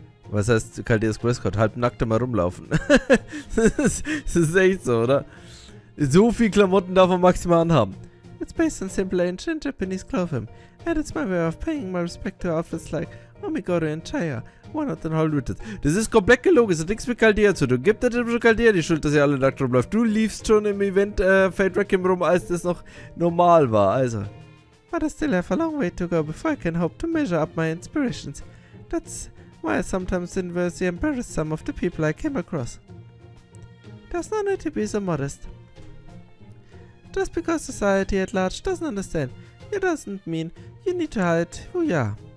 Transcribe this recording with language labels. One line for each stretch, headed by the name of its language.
German: Was heißt
English: Chaldea's dress code?
German: Halb nackt immer rumlaufen. Das ist echt so, oder? So viel Klamotten darf man maximal anhaben.
English: It's based on simple ancient Japanese clothing, and it's my way of paying my respect to outfits like Omigoro and Chaya, one of the Holy Rituals.
German: Das ist komplett gelogen, es hat nichts mit Chaldea zu tun. Gib der Chaldea die Schuld, dass ihr alle nackt rumläuft. Du liefst schon im Event Fate Wrecking rum, als das noch normal war, also.
English: But I still have a long way to go before I can hope to measure up my inspirations. That's why I sometimes inversely embarrass some of the people I came across. There's no need to be so modest. Just because society at large doesn't understand, it doesn't mean you need to hide who you are.